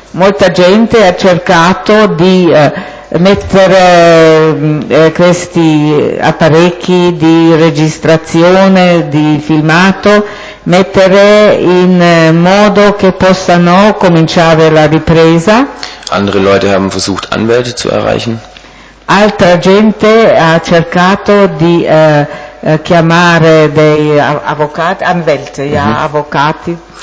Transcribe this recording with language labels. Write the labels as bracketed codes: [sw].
[it] Molta gente ha cercato di mettere questi apparecchi di registrazione, di filmato, mettere in modo che possano cominciare la ripresa. [de] Andere Leute haben versucht, Anwälte zu erreichen. [it] Altra gente ha cercato di chiamare dei avvocati, Anwälte, ja, avvocati.